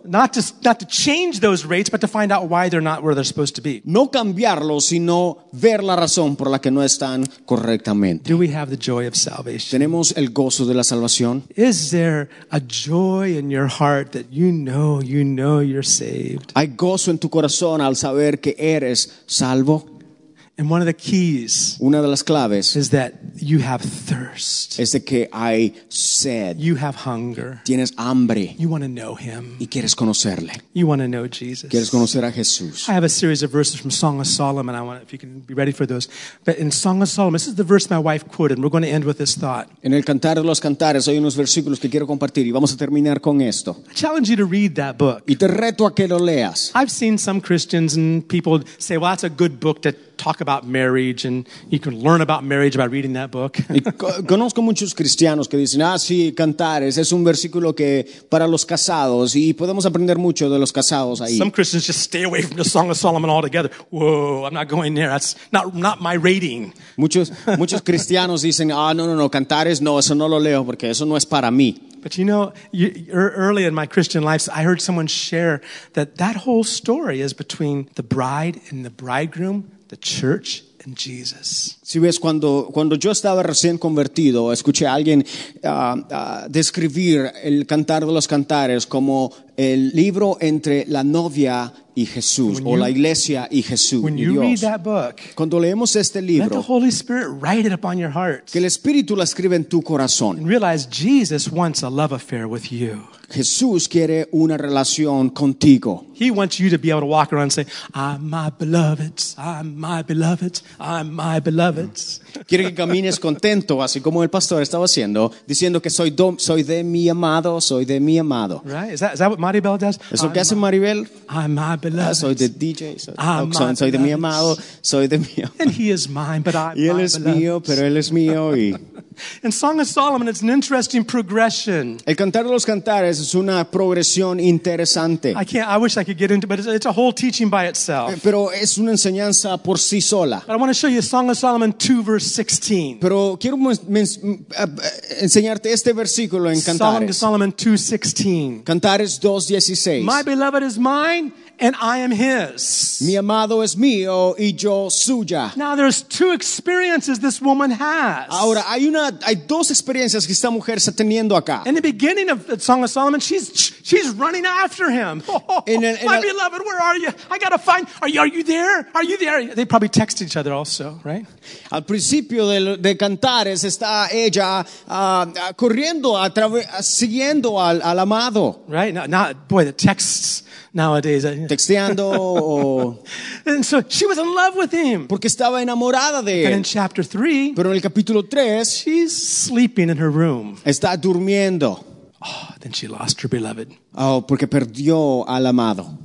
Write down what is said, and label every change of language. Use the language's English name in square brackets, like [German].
[English] Not to change those rates, but to find out why they're not where they're supposed to be. [Spanish] No cambiarlos, sino ver la razón por la que no están correctamente. [English] Do we have the joy of salvation? [Spanish] ¿Tenemos el gozo de la salvación? [English] Is there a joy in your heart that you know you're saved? [Spanish] Hay gozo en tu corazón al saber que eres salvo. [English] And one of the keys, [Spanish] una de las claves, [English] is that you have thirst. [Spanish] Es de que hay sed. [English] You have hunger. [Spanish] Tienes hambre. [English] You want to know him. [Spanish] Y quieres conocerle. [English] You want to know Jesus. [Spanish] Quieres conocer a Jesús. [English] I have a series of verses from Song of Solomon. I want if you can be ready for those. But in Song of Solomon, this is the verse my wife quoted. We're going to end with this thought. [Spanish] En el Cantar de los Cantares hay unos versículos que quiero compartir y vamos a terminar con esto. [English] I challenge you to read that book. [Spanish] Y te reto a que lo leas. [English] I've seen some Christians and people say, well, that's a good book to talk about marriage, and you can learn about marriage by reading that book. [Spanish] conozco muchos cristianos que dicen, ah, sí, Cantares es un versículo que para los casados y podemos aprender mucho de los casados ahí. [English] Some Christians just stay away from the Song of Solomon altogether. Whoa, I'm not going there. That's not my rating. [Spanish] Muchos cristianos dicen, ah, no, Cantares, no, eso no lo leo porque eso no es para mí. [English] But you know, early in my Christian life, I heard someone share that whole story is between the bride and the bridegroom, the church and Jesus. [Spanish] Si ves, cuando yo estaba recién convertido, escuché a alguien describir el Cantar de los Cantares como el libro entre la novia y Jesús, o la iglesia y Jesús. [English] When you read that book, [Spanish] cuando leemos este libro, [English] let the Holy Spirit write it upon your heart. [Spanish] Que el Espíritu la escribe en tu corazón. [English] And realize Jesus wants a love affair with you. [Spanish] Jesús quiere una relación contigo. [English] He wants you to be able to walk around and say, I'm my beloved, I'm my beloved, I'm my beloved. [Spanish] Quiere que camines contento, así como el pastor estaba haciendo, diciendo que soy de mi amado, soy de mi amado. [English] Right? Is that what Maribel does? [Spanish] ¿Eso qué hace Maribel? [English] I'm my beloved. [Spanish] Soy de DJ, soy de mi amado, soy de mío. [English] And he is mine, but I'm my beloved. [Spanish] Y él es mío, pero él es mío y... [English] In Song of Solomon, it's an interesting progression. [Spanish] El Cantar de los Cantares es una progresión interesante. [English] I wish I could get into it, but it's a whole teaching by itself. [Spanish] Pero es una enseñanza por sí sola. [English] But I want to show you Song of Solomon 2, verse 16. [Spanish] Pero quiero enseñarte este versículo en Cantares. [English] Song of Solomon 2, 16. [Spanish] Cantares 2, 16. [English] My beloved is mine. And I am his. [Spanish] Mi amado es mío y yo suya. [English] Now there's two experiences this woman has. [Spanish] Ahora hay dos experiencias que esta mujer está teniendo acá. [English] In the beginning of the Song of Solomon, she's running after him. Beloved, where are you? I gotta find. Are you there? Are you there? They probably text each other also, right? [Spanish] Al principio de Cantares está ella corriendo siguiendo al amado. [English] Right? Now, the texts. Nowadays, [Spanish] texteando. [English] And so she was in love with him. [Spanish] Porque estaba enamorada de él. [English] But in chapter 3, [Spanish] pero en el capítulo 3, [English] she's sleeping in her room. [Spanish] Está durmiendo. [English] Oh, then she lost her beloved. [Spanish] Oh, porque perdió al amado.